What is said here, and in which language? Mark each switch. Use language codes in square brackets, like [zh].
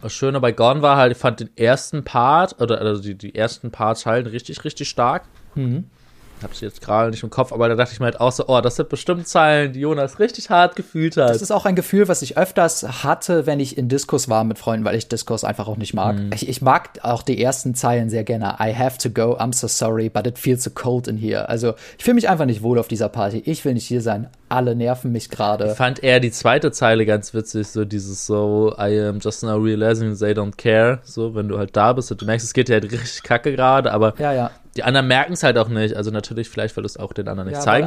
[de] Das Schöne bei Gone war halt, ich fand den ersten Part, oder also die ersten Parts halt richtig, richtig stark. Hab sie jetzt gerade nicht im Kopf, aber da dachte ich mir halt auch so, oh, das sind bestimmt Zeilen, die Jonas richtig hart gefühlt hat. Das ist auch ein Gefühl, was ich öfters hatte, wenn ich in Discos war mit Freunden, weil ich Discos einfach auch nicht mag. Ich mag auch die ersten Zeilen sehr gerne. [en] I have to go, I'm so sorry, but it feels so cold in here. [de] Also, ich fühle mich einfach nicht wohl auf dieser Party. Ich will nicht hier sein. Alle nerven mich gerade. Ich fand eher die zweite Zeile ganz witzig, so dieses so, [en] I am just now realizing they don't care. [de] So, wenn du halt da bist und du merkst, es geht dir halt richtig kacke gerade, aber ja. Die anderen merken es halt auch nicht. Also natürlich, vielleicht, weil du es auch den anderen nicht zeigen